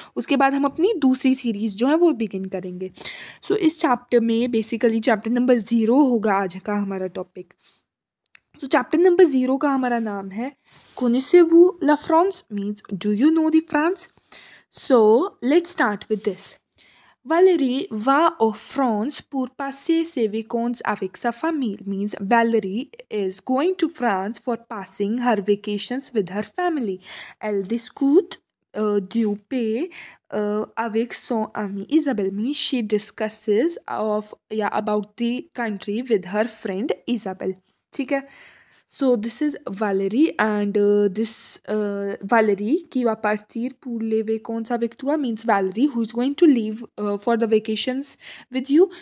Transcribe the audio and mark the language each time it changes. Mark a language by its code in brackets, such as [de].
[hi] उसके बाद हम अपनी दूसरी सीरीज जो है वो बिगिन करेंगे। सो इस चैप्टर में बेसिकली चैप्टर नंबर 0 होगा आज का हमारा टॉपिक। सो चैप्टर नंबर 0 का हमारा नाम है [fr] कोनेसे वू ला फ्रांस, [en] Means do you know the France. So let's start with this. [fr] Valérie va au France pour passer ses vacances avec sa famille. [en] Means Valérie is going to France for passing her vacations with her family. [fr] Elle discute du pays avec son amie Isabelle. [en] Means she discusses of about the country with her friend Isabelle. [hi] ठीक है? [en] So this is Valérie, and this Valérie [fr] qui va partir pour les vacances avec toi [en] means Valérie who is going to leave for the vacations with you.